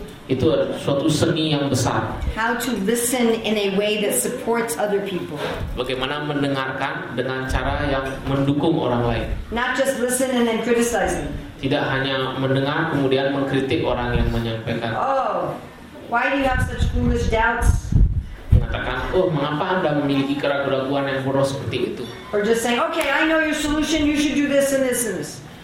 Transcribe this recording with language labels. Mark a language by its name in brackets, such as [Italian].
[Indonesian] Itu suatu seni yang besar. [English] How to listen in a way that supports other people. [Indonesian] Bagaimana mendengarkan dengan cara yang mendukung orang lain. [English] Not just listen and then criticizing. [Indonesian] Tidak hanya mendengar kemudian mengkritik orang yang menyampaikan. [English] Oh, why do you have such foolish doubts? [Indonesian] Mengatakan, oh, mengapa Anda memiliki keraguan-keraguan yang boros seperti itu? [English] Or just saying, okay, I know your solution. You should do this and this and this.